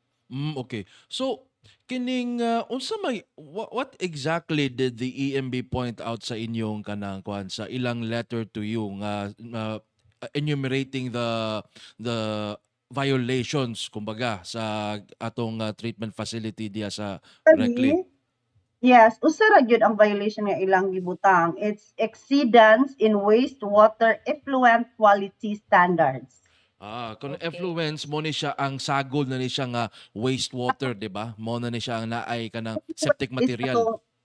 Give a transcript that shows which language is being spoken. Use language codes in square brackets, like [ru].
[en] Okay. So, [ceb] kining unsa may [en] what exactly did the EMB point out [ceb] sa inyong kanang kwan sa ilang [en] letter to you nga enumerating the violations [ceb] kumbaga sa atong [en] treatment facility diya sa Reclaim? [ceb] Yes, usa ra gyud ang violation nga ilang gibutang. [en] It's exceedance in wastewater effluent quality standards. [ceb] Ah, kung okay. Effluent mo ni siya ang sagol na ni siya nga wastewater, di ba? Mo na ni siya ang naay kanang septic material.